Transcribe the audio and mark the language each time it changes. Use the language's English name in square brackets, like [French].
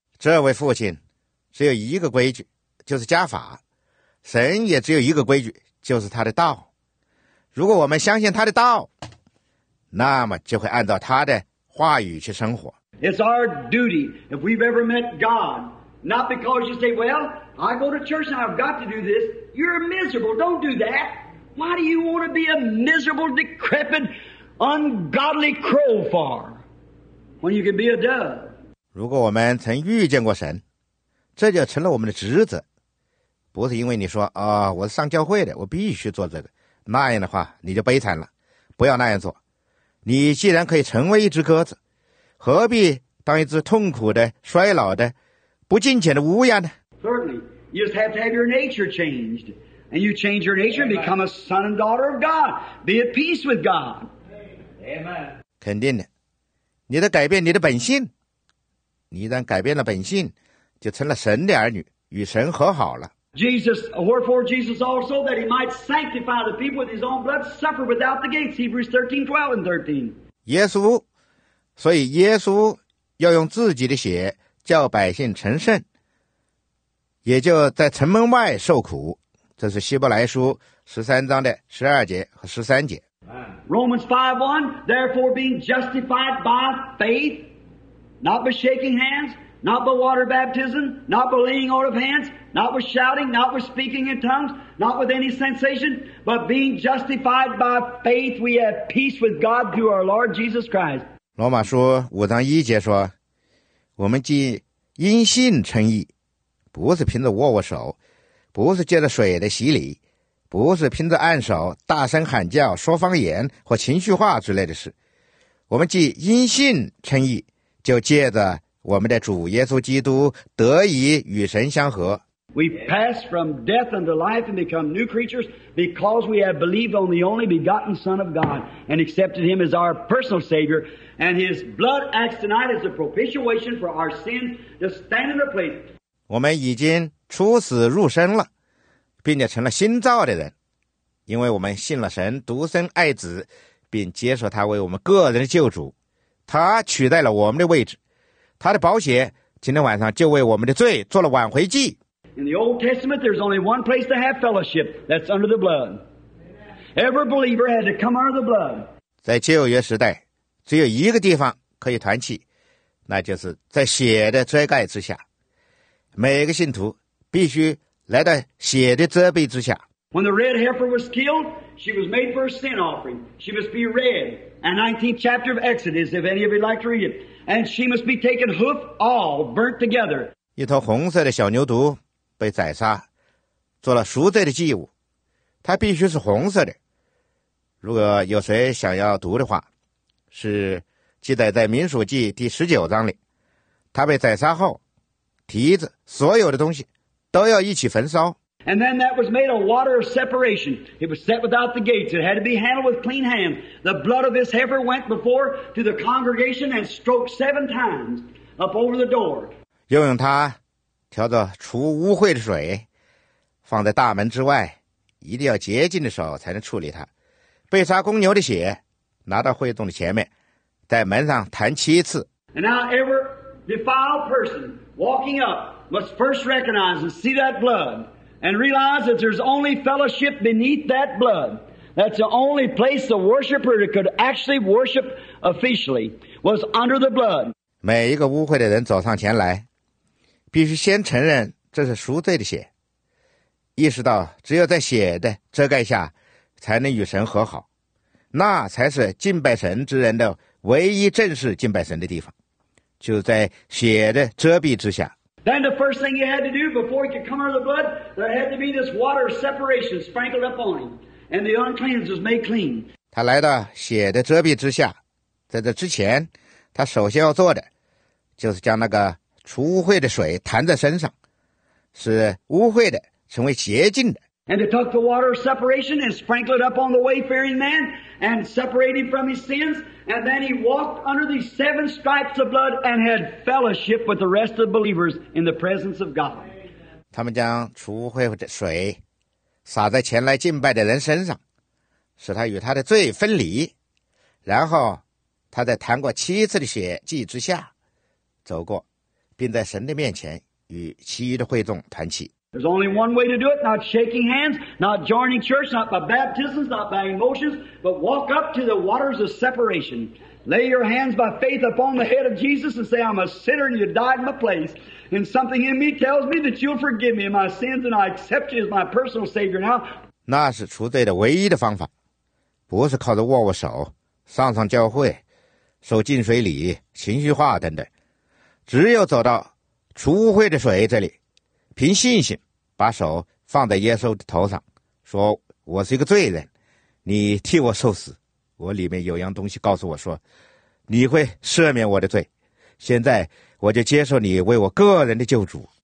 [Chinese] 这位父亲只有一个规矩，就是家法。神也只有一个规矩，就是他的道。如果我们相信他的道，那么就会按照他的话语去生活。 [English] It's our duty, if we've ever met God, not because you say, well, I go to church and I've got to do this. You're miserable, don't do that. Why do you want to be a miserable, decrepit, ungodly crow for? When you can be a dove. [Chinese] 如果我们曾遇见过神，这就成了我们的职责。不是因为你说啊、哦，我是上教会的，我必须做这个，那样的话你就悲惨了。不要那样做。你既然可以成为一只鸽子，何必当一只痛苦的、衰老的、不敬虔的乌鸦呢 [English] ？Certainly, you just have to have your nature changed, and you change your nature and become a son and daughter of God, be at peace with God. Amen. [Chinese] 肯定的，你得改变你的本性。你一旦改变了本性，就成了神的儿女，与神和好了。 [English] Jesus, wherefore Jesus also, that he might sanctify the people with his own blood, suffer without the gates, Hebrews 13, 12 and 13. [Chinese] 耶稣，所以耶稣要用自己的血叫百姓成圣，也就在城门外受苦。这是希伯来书13章的12节和13节。 [English] Romans 5, 1, therefore being justified by faith, not by shaking hands, not by water baptism, not by laying on of hands,Not with shouting, not with speaking in tongues, not with any sensation, but being justified by faith, we have peace with God through our Lord Jesus Christ. [Chinese] 罗马书五章一节说，我们既因信称义，不是凭着握握手，不是借着水的洗礼，不是凭着按手、大声喊叫、说方言或情绪化之类的事。我们既因信称义，就借着我们的主耶稣基督得以与神相合。 [English] We pass from death unto life and become new creatures because we have believed on the only begotten Son of God and accepted Him as our personal Savior. And His blood acts tonight as a propitiation for our sins to stand in their place. [Chinese] 我们已经出死入生了，并且成了新造的人，因为我们信了神独生爱子，并接受他为我们个人的救主。他取代了我们的位置，他的宝血今天晚上就为我们的罪做了挽回祭。 [English] In the Old Testament, there's only one place to have fellowship. That's under the blood. Every believer had to come under the blood. [Chinese] 在旧约时代，只有一个地方可以团契，那就是在血的遮盖之下。每个信徒必须来到血的遮蔽之下。 [English] When the red heifer was killed, she was made for a sin offering. She must be red. And 19th chapter of Exodus, if any of you like to read it. And she must be taken hoof all burnt together. [Chinese] 一头红色的小牛犊。被宰杀，做了赎罪的祭物，它必须是红色的。如果有谁想要读的话，是记载在民数记第十九章里。他被宰杀后，蹄子所有的东西都要一起焚烧。 [English] And then that was made a water of separation. It was set without the gates. It had to be handled with clean hands. The blood of this heifer went before to the congregation and stroked seven times up over the door. [Chinese] 又用它。挑着除污秽的水放在大门之外，一定要洁净的手才能处理它。被杀公牛的血拿到会众的前面，在门上弹七次。 [English] And now every defiled person walking up must first recognize and see that blood and realize that there's only fellowship beneath that blood. That's the only place the worshiper could actually worship officially was under the blood. [Chinese] 每一个污秽的人走上前来必须先承认这是赎罪的血，意识到只有在血的遮盖下才能与神和好，那才是敬拜神之人的唯一正式敬拜神的地方，就在血的遮蔽之下。 [English] Then the first thing you had to do before you could come out of the blood, there had to be this water separation sprinkled upon him, and the unclean was made clean. [Chinese] 他来到血的遮蔽之下，在这之前，他首先要做的就是将那个除污秽的水弹在身上，使污秽的成为洁净的。 [English] And to take the water of separation and sprinkle it up on the wayfaring man and separate him from his sins, and then he walked under these seven stripes of blood and had fellowship with the rest of the believers in the presence of God. [Chinese] 他们将除污秽的水洒在前来敬拜的人身上，使他与他的罪分离，然后他在弹过七次的血迹之下走过。并在神的面前与其余的会众团契。 [English] There's only one way to do it, not shaking hands, not joining church, not by baptisms, not by emotions, but walk up to the waters of separation. Lay your hands by faith upon the head of Jesus and say, I'm a sinner and you died in my place. And something in me tells me that you'll forgive me of my sins and I accept you as my personal Savior now. [Chinese] 那是除罪的唯一的方法，不是靠着握握手、上上教会、手浸水里、情绪化等等。只有走到除污秽的水这里，凭信心把手放在耶稣的头上，说我是一个罪人，你替我受死，我里面有样东西告诉我说你会赦免我的罪，现在我就接受你为我个人的救主。